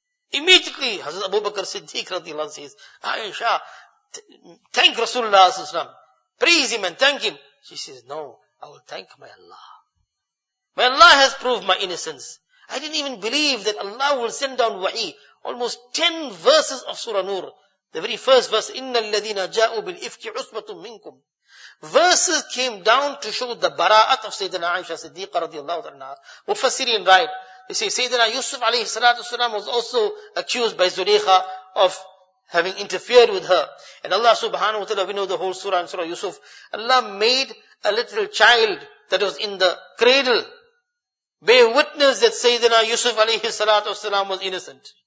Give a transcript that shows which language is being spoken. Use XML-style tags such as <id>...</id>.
<en>Immediately, Hazrat Abu Bakr Siddiq radiallahu anhu says, Aisha, thank Rasulullah sallallahu alaihi wasallam. Praise him and thank him. She says, no, I will thank my Allah. My Allah has proved my innocence. I didn't even believe that Allah will send down wahi. Almost 10 verses of Surah Nur. The very first verse,</en> <ar>إِنَّ الَّذِينَ جَاءُوا بِالْإِفْكِ عُصْبَةٌ مِنْكُمْ.</ar> <en>Verses came down to show the bara'at of Sayyidina Aisha Siddiqa radiallahu anha. Mufassirin write, they say, Sayyidina Yusuf alayhi salatu wasalam was also accused by Zulaykha of having interfered with her. And Allah subhanahu wa ta'ala, we know the whole surah and surah Yusuf. Allah made a little child that was in the cradle bear witness that Sayyidina Yusuf alayhi salatu wasalam was innocent.</en>